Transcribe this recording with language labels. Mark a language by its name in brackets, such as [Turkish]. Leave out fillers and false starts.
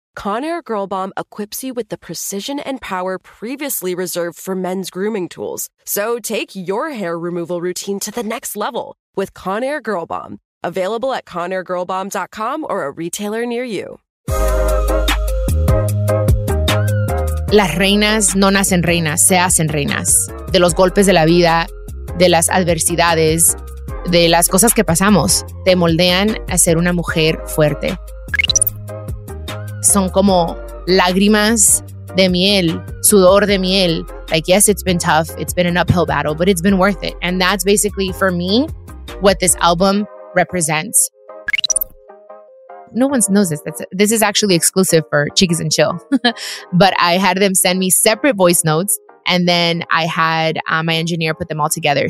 [English] Conair Girl Bomb equips you with the precision and power previously reserved for men's grooming tools. So take your hair removal routine to the next level with Conair Girl Bomb. Available at conairgirlbomb.com or a retailer near you. [Spanish] Las reinas no nacen reinas, se hacen reinas. De los golpes de la vida, de las adversidades, de las cosas que pasamos, te moldean a ser una mujer fuerte. Son como lágrimas de miel, sudor de miel. [English] Like, yes, it's been tough. It's been an uphill battle, but it's been worth it. And that's basically, for me, what this album represents. No one knows this. This is actually exclusive for Chiquis and Chill. But I had them send me separate voice notes, and then I had my engineer put them all together.